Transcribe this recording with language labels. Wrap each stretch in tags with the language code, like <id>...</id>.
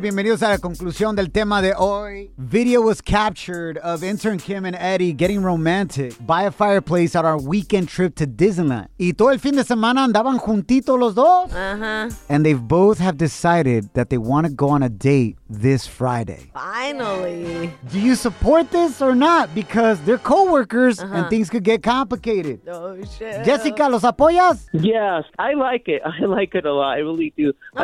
<es>Bienvenidos a la conclusión del tema de hoy.</es> <en>Video was captured of intern Kim and Eddie getting romantic by a fireplace on our weekend trip to Disneyland.</en> <es>Y todo el fin de semana andaban juntitos los dos. Uh-huh.</es> <en>And they both have decided that they want to go on a date this Friday. Finally. Do you support this or not? Because they're co-workers uh-huh. and things could get complicated. Oh, shit.</en> <es>Jessica, ¿los apoyas?</es> <en>Yes, I like it. I like it a lot. I really do. Oh.</en>